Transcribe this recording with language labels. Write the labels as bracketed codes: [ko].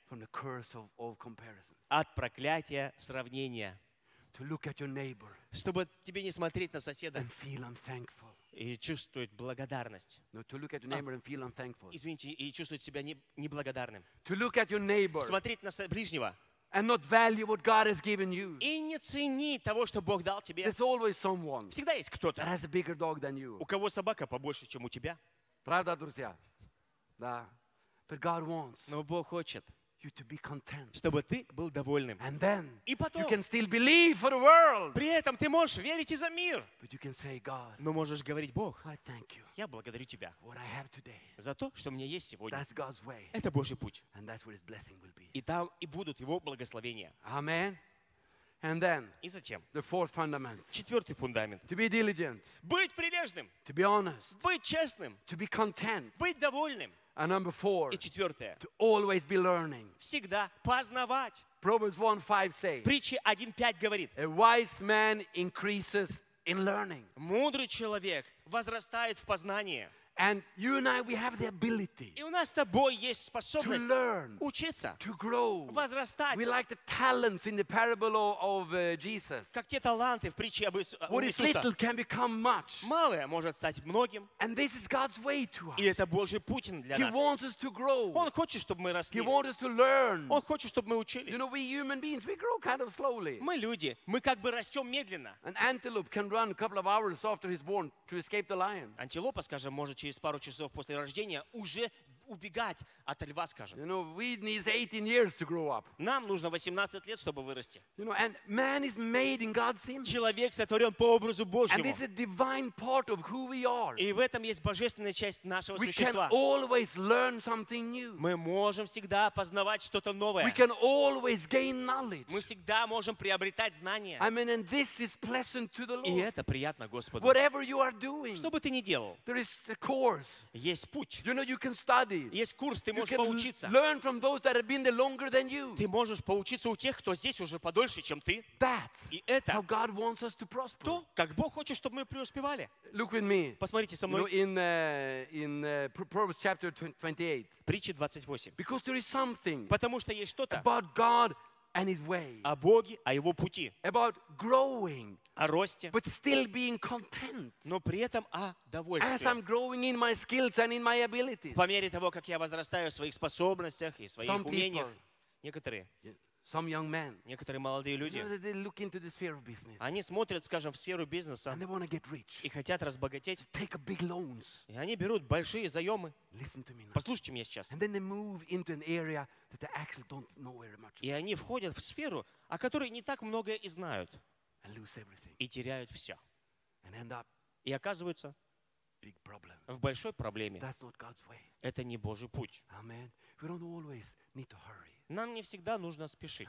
[en] From the curse of all comparisons. [ru] От проклятия сравнения. [en] To look at your neighbor. [ru] Чтобы тебе не смотреть на соседа. [en] And feel unthankful. [ru] И чувствовать благодарность. Извините, и чувствовать себя неблагодарным. Смотреть на ближнего. [en] And not value what God has given you. [ru] И не цени того, что Бог дал тебе. [en] There's always someone. [ru] Всегда есть кто-то. [en] That has a bigger dog than you. [ru] У кого собака побольше, чем у тебя. Правда, друзья? Да. [en] But God wants. [ru] Но Бог хочет. [en] You to be content. [ru] Чтобы ты был довольным. [en] And then. [ru] И потом. [en] You can still believe for the world. [ru] При этом ты можешь верить и за мир. [en] But you can say God. [ru] Но можешь говорить Бог. [en] I thank you. [ru] Я благодарю тебя. [en] What I have today. [ru] За то, что у меня есть сегодня. [en] That's God's way. [ru] Это Божий путь. [en] And that's where His blessing will be. [ru] И там и будут Его благословения. [en] Amen. And then. [ru] И затем. [en] The fourth fundament. [ru] Четвертый фундамент. [en] To be diligent. [ru] Быть прилежным. [en] To be honest. [ru] Быть честным. [en] To be content. [ru] Быть довольным. [en] And number four, [ru] и четвертое, [en] to always be learning. [ru] Всегда познавать. [en] Proverbs 1:5 says. [ru] Притчи 1:5 говорит. [en] A wise man increases in learning. [ru] Мудрый человек возрастает в познании. [en] And you and I, we have the ability. [ru] И у нас с тобой есть способность [en] to learn, [ru] учиться, [en] to grow, [ru] возрастать. [en] We like the talents in the parable of Jesus. [ru] Как те таланты в притче об Иисусе. [en] What is little can become much. [ru] Малое может стать многим. [en] And this is God's way to us. [ru] И это Божий путь для [en] He [ru] нас. [en] He wants us to grow. [ru] Он хочет, чтобы мы росли. [en] He wants us to learn. [ru] Он хочет, чтобы мы учились. [en] You know, we human beings, we grow kind of slowly. [ru] Мы люди, мы как бы растем медленно. [en] An antelope can run a couple of hours after he's born to escape the lion. [ru] Антилопа, скажем, может через пару часов после рождения уже убегать от льва, скажем. [en] You know, we need 18 years to grow up. [ru] Нам нужно 18 лет, чтобы вырасти. [en] You know, and man is made in God's image. [ru] Человек сотворен по образу Божьему. [en] And this is a divine part of who we are. [ru] И в этом есть божественная часть нашего [en] we [ru] существа. [en] Can always learn something new. [ru] Мы можем всегда познавать что-то новое. [en] We can always gain knowledge. [ru] Мы всегда можем приобретать знания. [en] I mean, and this is pleasant to the Lord. [ru] И это приятно Господу. [en] Whatever you are doing, [ru] что бы ты ни делал, [en] there is a course. [ru] Есть путь. [en] You know, you can study. [ru] Есть курс, ты можешь поучиться. [en] Learn from those that have been there longer than you. [ru] Ты можешь поучиться у тех, кто здесь уже подольше, чем ты. [en] That's [ru] и это [en] how God wants us to prosper. [ru] То, как Бог хочет, чтобы мы преуспевали. [en] Look with me. [ru] Посмотрите со мной. [en] You know, in Proverbs chapter 28. [ru] Притчи 28. [en] Because there is something. [ru] Потому что есть что-то. [en] About God and His way. [ru] О Боге, о Его пути. [en] About growing. [ru] О росте, [en] but still being content. [ru] Но при этом о довольстве. [en] As I'm growing in my skills and in my abilities. [ru] По мере того, как я возрастаю в своих способностях и своих умениях. Некоторые. [en] Some young men. [ru] Некоторые молодые люди. [en] They look into the sphere of business. [ru] Они смотрят, скажем, в сферу бизнеса. [en] And they want to get rich. [ru] И хотят разбогатеть. [en] Take a big loans. [ru] И они берут большие заемы. [en] Listen to me now. [ru] Послушайте меня сейчас. [en] And then they move into an area that they actually don't know very much. [ru] И они входят в сферу, о которой не так многое и знают. [en] And lose everything. [ru] И теряют все. [en] And end up [ru] и оказываются [en] big problem. [ru] В большой проблеме. [en] That's not God's way. [ru] Это не Божий путь. [en] Amen. We don't always need to hurry. [ru] Нам не всегда нужно спешить.